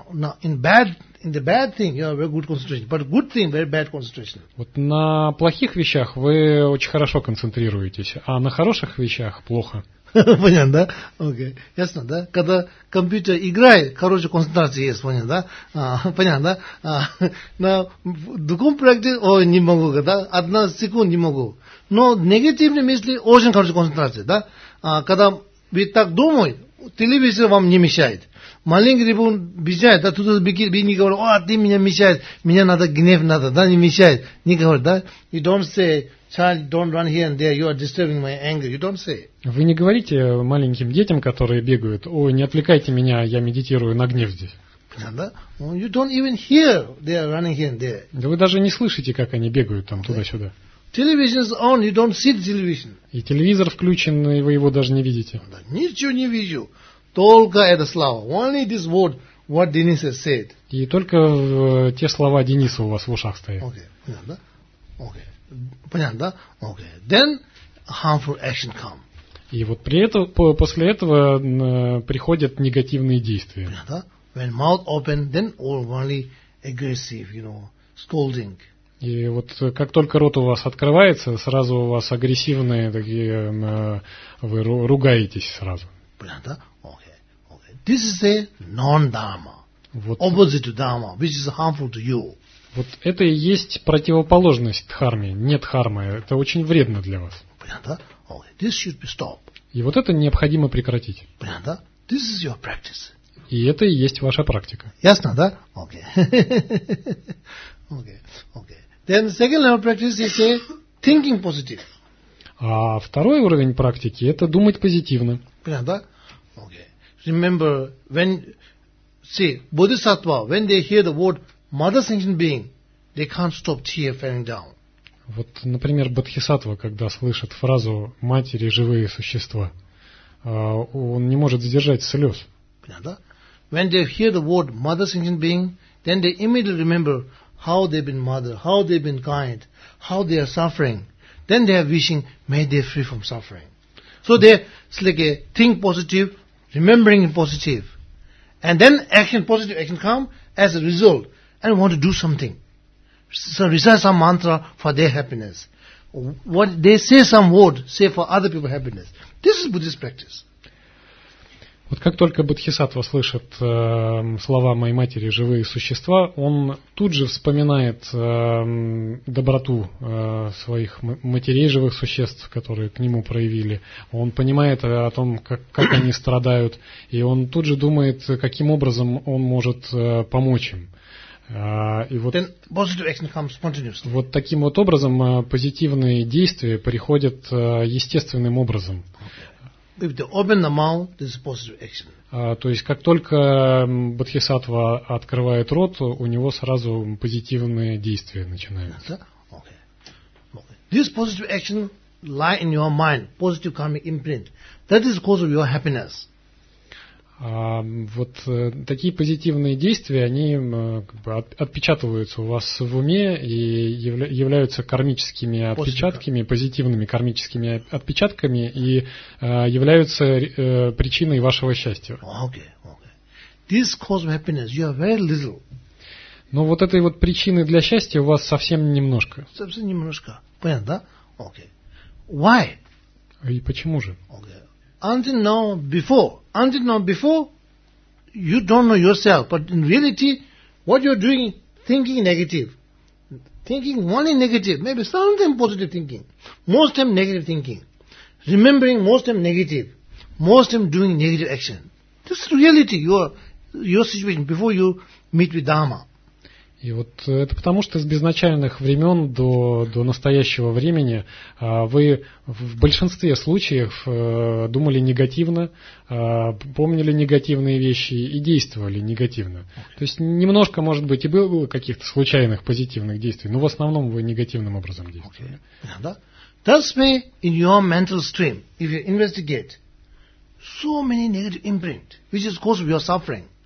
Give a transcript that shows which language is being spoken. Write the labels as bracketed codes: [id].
[en] No, in the bad thing you have a good concentration, but good thing very bad concentration. [ru] Вот на плохих вещах вы очень хорошо концентрируетесь, а на хороших вещах плохо. Понятно, да? Окей. [en] Okay. [ru] Ясно, да? Когда компьютер играет, короче, концентрация есть, понятно, да? Понятно, да? На другом проекте, ой, не могу, да? Одна секунда не могу. Но негативные мысли очень хорошая концентрация, да? Когда вы так думаете, телевизор вам не мешает. Маленький ребенок бежает, да, тут беги, не говорит, о, ты меня мешает, меня надо, гнев надо, да, не мешает. Не говорит, да? [en] You don't say, child, don't run here and there, you are disturbing my anger. You don't say. [ru] Вы не говорите маленьким детям, которые бегают, о, не отвлекайте меня, я медитирую на гнев здесь. Да? [en] You don't even hear they are running here and there. [ru] Да вы даже не слышите, как они бегают там туда-сюда. [en] Television is on, you don't see the television. [ru] И телевизор включен, и вы его даже не видите. Да, ничего не вижу. Только это слово. [en] Only this word, what Denis has said. [ru] И только те слова Дениса у вас в ушах стоят. Окей. Понятно, да? Окей. Понятно, да? Окей. [en] Then harmful action come. [ru] И вот после этого приходят негативные действия. Понятно, да? [en] When mouth open, then only aggressive, you know, scolding. [ru] И вот как только рот у вас открывается, сразу у вас агрессивные такие, вы ругаетесь сразу. Понятно, да? [en] This is a non-dharma, [ru] вот. [en] Opposite to dharma, which is harmful to you. [ru] Вот это и есть противоположность дхарме. Нет дхармы, это очень вредно для вас. Понятно? [en] Okay. This should be stopped. [ru] И вот это необходимо прекратить. Понятно? [en] This is your practice. [ru] И это и есть ваша практика. Ясно, да? [en] Okay. Okay. Okay. Then the second level of practice is a thinking positive. [ru] А второй уровень практики – это думать позитивно. Понятно? [en] Okay. Remember when see Bodhisattva when they hear the word mother sentient being they can't stop tear falling down. [ru] Вот, например, Бодхисаттва, когда слышит фразу матери живые существа, он не может сдержать слез. Понятно? [en] When they hear the word mother sentient being, then they immediately remember how they've been mother, how they've been kind, how they are suffering. Then they are wishing may they free from suffering. So they like a think positive. Remembering positive. And then action, positive action come as a result. And want to do something. So recite some mantra for their happiness. What they say some word, say for other people happiness. This is Buddhist practice. [ru] Вот как только Бодхисаттва слышит слова моей матери, живые существа, он тут же вспоминает доброту своих матерей, живых существ, которые к нему проявили. Он понимает о том, как они страдают, и он тут же думает, каким образом он может помочь им. И вот, [en] then positive action comes spontaneously. [ru] Вот таким вот образом позитивные действия приходят естественным образом. [en] If they open the mouth, this is positive action. [ru] То есть, как только Бодхисаттва открывает рот, у него сразу позитивные действия начинаются. [en] Okay. This positive action lie in your mind, positive karmic imprint. That is the cause of your happiness. [ru] Вот такие позитивные действия, они как бы отпечатываются у вас в уме и являются кармическими отпечатками, позитивными кармическими отпечатками и являются причиной вашего счастья. [en] Okay, okay. this cause of happiness, you have very little. [ru] Но вот этой вот причины для счастья у вас совсем немножко. Совсем немножко. Понятно, да? [en] Okay. Why? [ru] И почему же? [en] Okay. Until now, before, you don't know yourself. But in reality, what you're doing, thinking negative. Thinking only negative, maybe something positive thinking. Most of them negative thinking. Remembering most of them negative. Most of them doing negative action. This is reality, your situation, before you meet with Dharma. [ru] И вот это потому, что с безначальных времен до настоящего времени вы в большинстве случаев думали негативно, помнили негативные вещи и действовали негативно. То есть немножко, может быть, и было каких-то случайных позитивных действий, но в основном вы негативным образом действовали. [en] That's why in your mental stream, if you investigate, so many negative imprint, which is cause of your suffering.